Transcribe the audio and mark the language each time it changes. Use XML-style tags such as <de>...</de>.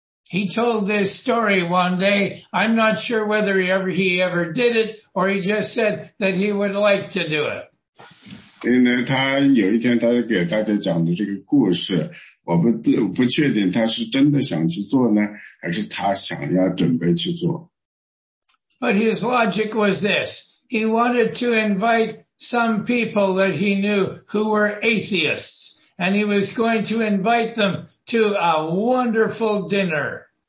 <en>He told this story one day. I'm not sure whether he ever did it, or he just said that he would like to do it.</en> <zh>因为他有一天他给大家讲的这个故事，我不确定他是真的想去做呢，还是他想要准备去做。</zh> <en>But his logic was this. He wanted to invite some people that he knew who were atheists. And he was going to invite them to a wonderful dinner.</en>